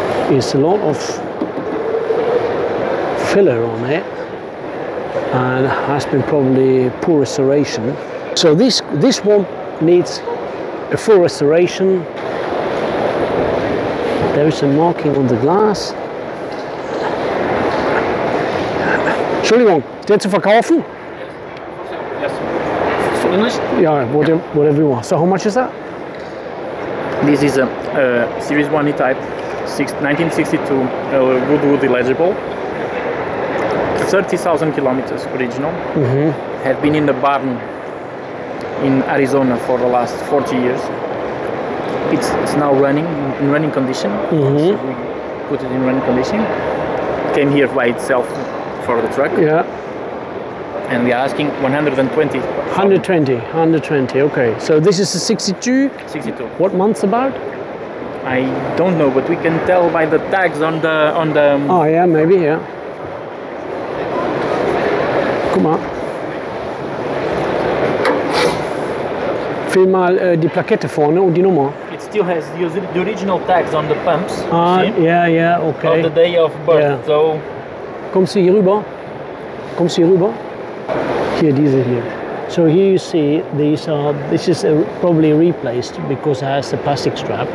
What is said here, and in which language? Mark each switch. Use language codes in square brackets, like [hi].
[en] It's a lot of filler on it. and has been probably poor restoration. So this one needs a full restoration. There is a marking on the glass. [de] Entschuldigung, der zu verkaufen? [en] Yes. Yes. English? Yeah, whatever you want. So how much is that? This is a Series 1 E-Type, 1962 Goodwood Illegible. 30,000 kilometers original. Mm-hmm. Have been in the barn in Arizona for the last 40 years. It's now running, in running condition. Mm-hmm. So we put it in running condition. Came here by itself for the truck. Yeah. And we are asking 120. 120, okay. So this is a 62? 62. What month's about? I don't know, but we can tell by the tags on the... Oh yeah, maybe, yeah. [de] Guck mal. Fill mal die Plakette vorne und die Nummer. [en] It still has the original tags on the pumps. Ah, yeah, yeah, okay. On the day of birth, yeah. So... [de] Kommst du hier rüber? Kommst du hier rüber? Hier, diese hier. [en] So here you see, these are. This is a, probably replaced because it has the plastic strap.